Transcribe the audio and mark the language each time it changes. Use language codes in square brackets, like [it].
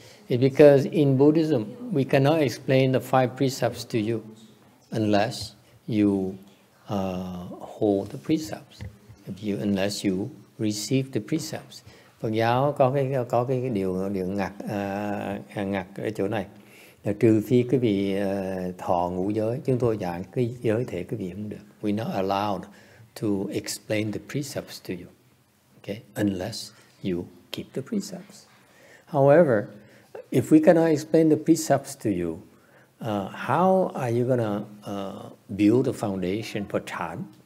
[en] It's because in Buddhism we cannot explain the five precepts to you unless you hold the precepts. Unless you receive the precepts. [vi] Phật giáo có cái điều ngặt ở chỗ này là trừ phi quý vị thọ ngũ giới, chúng tôi dạy cái giới thể quý vị không được. [en] We're not allowed to explain the precepts to you, okay? Unless you keep the precepts. However, if we cannot explain the precepts to you, how are you gonna build the foundation for chan?